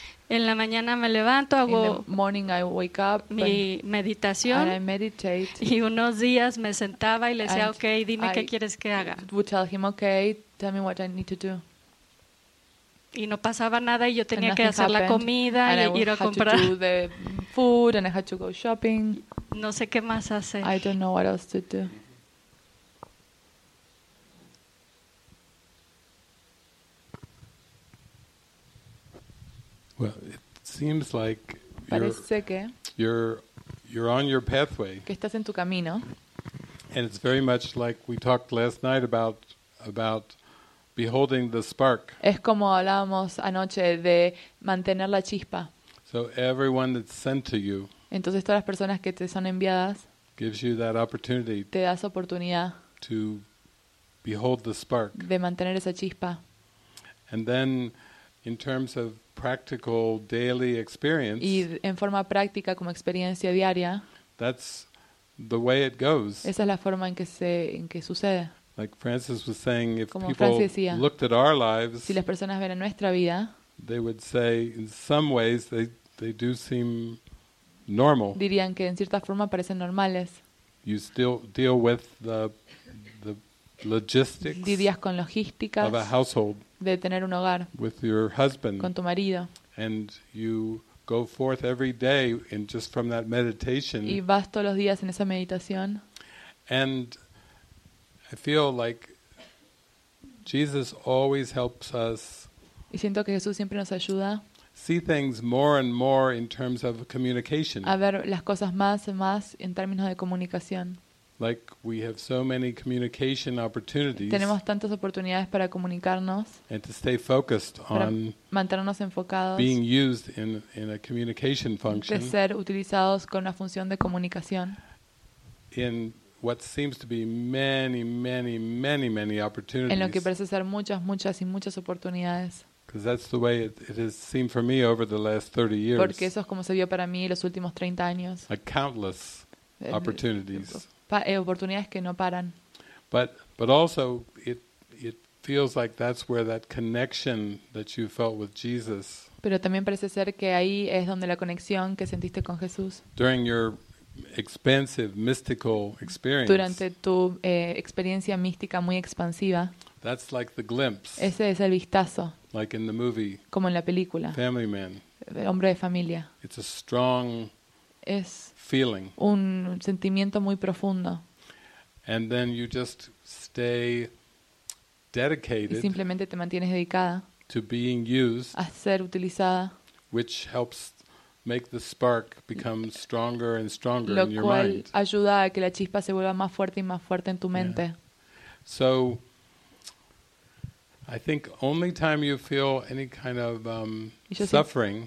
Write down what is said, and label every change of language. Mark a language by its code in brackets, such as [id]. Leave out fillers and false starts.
[es] En la mañana me levanto, hago mi meditación. [en] And I meditate. [es] Y unos días me sentaba y le decía, okay, dime qué quieres que haga. [en] Would tell him, okay, tell me what I need to do. [es] Y no pasaba nada y yo tenía que hacer la comida y ir a comprar. [en] And I had to do the food and I had to go shopping. [es] No sé qué más hacer. [en] I don't know what else to do. Well, it seems like you're on your pathway. [es] Que estás en tu camino. [en] And it's very much like we talked last night about beholding the spark. [es] Es como hablábamos anoche de mantener la chispa. [en] So everyone that's sent to you. [es] Entonces todas las personas que te son enviadas. [en] Gives you that opportunity. [es] Te das oportunidad. [en] To behold the spark. [es] De mantener esa chispa. [en] And then, in terms of practical daily experience. [es] Y en forma práctica como experiencia diaria. [en] That's the way it goes. [es] Esa es la forma en que sucede. [en] Like Francis was saying, if [es] como [en] people [es] decía, [en] looked at our lives, [es] si las personas ven nuestra vida, [en] they would say in some ways they do seem normal. [es] Dirían que en cierta forma parecen normales. [en] You still deal with the logistics. [es] Lidias con logísticas. [en] Of a household. [es] De tener un hogar [en] with your husband, [es] con tu marido, [en] and you go forth every day in just from that meditation, [es] y vas todos los días en esa meditación, [en] and I feel like Jesus always helps us, [es] y siento que Jesús siempre nos ayuda, [en] see things more and more in terms of communication, [es] a ver las cosas más y más en términos de comunicación. [en] Like we have so many communication opportunities. [es] Tenemos tantas oportunidades para comunicarnos. [en] And to stay focused on [es] mantenernos enfocados. [en] Being used in a communication function. [es] De ser utilizados con una función de comunicación. [en] In what seems to be many, many, many, many opportunities. [es] En lo que parece ser muchas, muchas y muchas oportunidades. [en] Because that's the way it has seemed for me over the last 30 years. [es] Porque eso es como se vio para mí los últimos 30 años. [en] A countless opportunities. [es] Oportunidades que no paran. [en] But also it feels like that's where that connection that you felt with Jesus. [es] Pero también parece ser que ahí es donde la conexión que sentiste con Jesús. [en] During your expansive mystical experience. [es] Durante tu experiencia mística muy expansiva. [en] That's like the glimpse. [es] Ese es el vistazo. [en] Like in the movie. [es] Como en la película. [en] Family Man. [es] El hombre de familia. [en] It's a strong [es] es [en] feeling. [es] Un sentimiento muy profundo. [en] And then you just stay dedicated. [es] Y simplemente te mantienes dedicada. [en] To being used. [es] A ser utilizada. [en] Which helps make the spark become stronger and stronger [es] lo [en] in your mind. [es] Lo cual ayuda a que la chispa se vuelva más fuerte y más fuerte en tu mente. [en] Yeah. So I think only time you feel any kind of suffering.